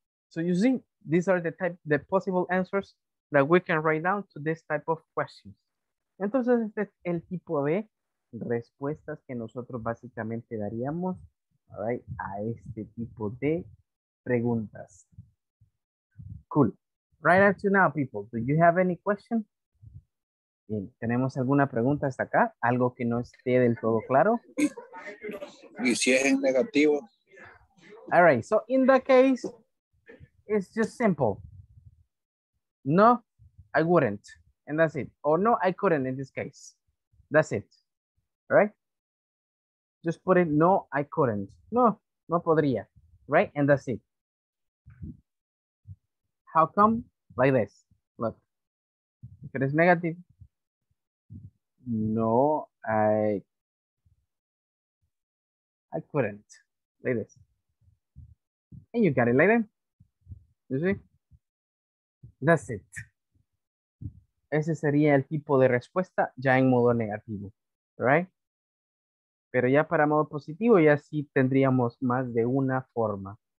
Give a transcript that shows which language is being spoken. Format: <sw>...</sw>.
<en>So you see, these are the possible answers that we can write down to this type of questions.</en> <es>Entonces, este es el tipo de respuestas que nosotros básicamente daríamos,</es> <en>all right,</en> <es>a este tipo de preguntas.</es> <en>Cool. Right up to now, people, do you have any question?</en> <es>Bien, ¿tenemos alguna pregunta hasta acá? ¿Algo que no esté del todo claro? ¿Y si es en negativo?</es> <en>All right, so in that case, it's just simple. No, I wouldn't, and that's it. Or no, I couldn't in this case. That's it, all right? Just put it, no, I couldn't.</en> <es>No, no podría,</es> <en>right? And that's it. How come? Like this, look. If it is negative, no, I couldn't, like this. And you got it like that, you see? That's it.</en> <es>Ese sería el tipo de respuesta ya en modo negativo, right? Pero ya para modo positivo ya sí tendríamos más de una forma.</es>